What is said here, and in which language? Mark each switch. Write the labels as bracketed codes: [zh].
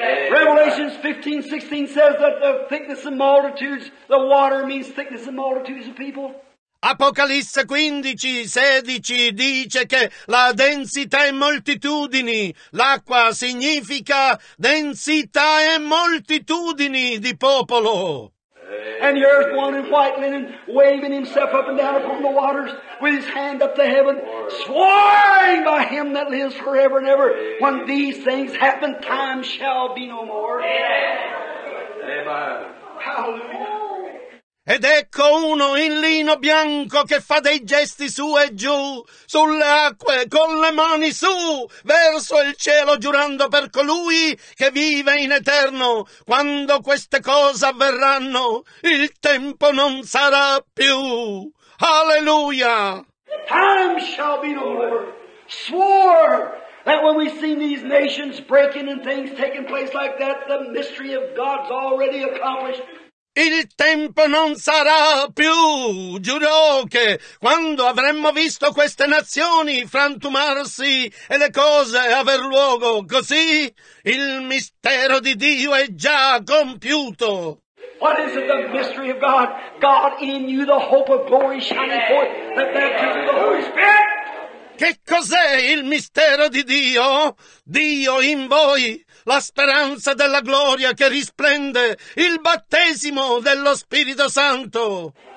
[en] Revelation 15, 16 says that the thickness of multitudes, the water means thickness of multitudes of people. [it] Apocalisse 15, 16 dice che la densità e moltitudini, l'acqua significa densità e moltitudini di popolo. [en] And the earth one in white linen, waving himself up and down upon the waters, with his hand up to heaven, swearing by him that lives forever and ever, when these things happen, time shall be no more. Amen. Hallelujah. [it] Ed ecco uno in lino bianco che fa dei gesti su e giù, sulle acque, con le mani su, verso il cielo, giurando per colui che vive in eterno. Quando queste cose avverranno, il tempo non sarà più. Alleluia! [en] Time shall be no more. Swore that when we see these nations breaking and things taking place like that, the mystery of God's already accomplished. [it] Il tempo non sarà più, giurò che quando avremmo visto queste nazioni frantumarsi e le cose aver luogo così, il mistero di Dio è già compiuto. [en] What is it, the mystery of God? God in you, the hope of glory shining forth, the baptism of the Holy Spirit. [it] Che cos'è il mistero di Dio? Dio in voi. La speranza della gloria che risplende, il battesimo dello Spirito Santo.